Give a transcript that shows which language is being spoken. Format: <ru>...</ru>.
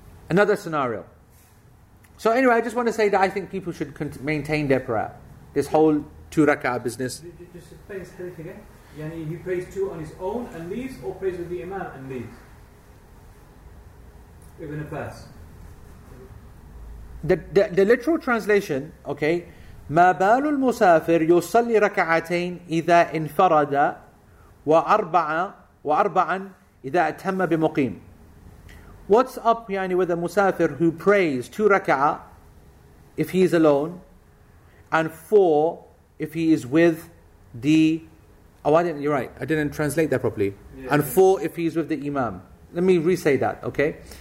<en>Another scenario. So anyway, I just want to say that I think people should maintain their prayer. This whole 2 raka'ah business. Just explain this hadith again. Yani he prays 2 on his own and leaves, or prays with the imam and leaves? Ibn Abbas. The literal translation, okay,</en> <ar>ما بال المسافر يصلي ركعتين إذا انفرد وأربعة وأربعا إذا أتم بمقيم.</ar> <en>What's up with a musafir who prays 2 raka'ah if he is alone, and 4 if he is with the... I didn't translate that properly. Yeah. And 4 if he is with the imam. Let me re-say that, okay?</en>